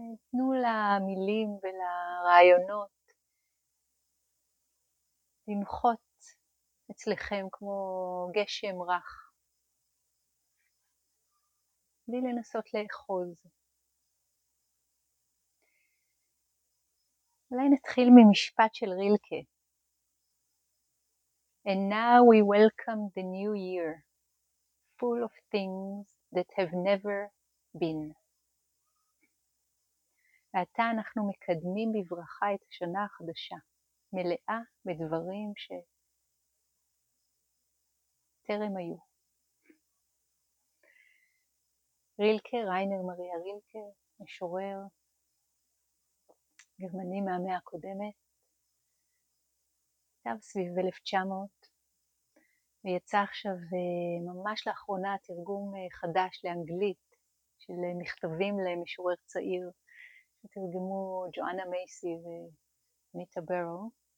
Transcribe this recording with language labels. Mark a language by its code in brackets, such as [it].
[he] תנו למילים ולרעיונות למחות אצלכם כמו גשם רך. בלי לנסות לאחוז. אולי נתחיל ממשפט של רילקה. [en] And now we welcome the new year. Full of things that have never been. [he] ועתה אנחנו מקדמים בברכה את השנה החדשה, מלאה בדברים שטרם היו. רילקה, ריינר מריה רילקה, משורר, גרמני מהמאה הקודמת, כתב סביב 1900, ויצא עכשיו ממש לאחרונה תרגום חדש לאנגלית של מכתבים למשורר צעיר שתרגמו ג'ואנה מייסי ומיטה ברו.